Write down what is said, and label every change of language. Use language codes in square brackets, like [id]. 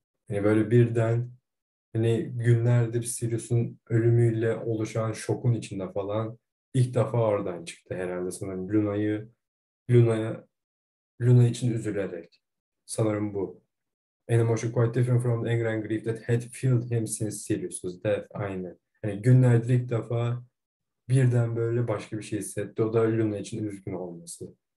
[tr] Yani böyle birden, hani günlerdir Sirius'un ölümüyle oluşan şokun içinde falan ilk defa oradan çıktı herhalde sanırım Luna için üzülerek. Sanırım bu. [en] An emotion quite different from the anger and grief that had filled him since Sirius's death. [tr] Aynı. Yani günlerdir ilk defa birden böyle başka bir şey hissetti. O da Luna için üzgün olması.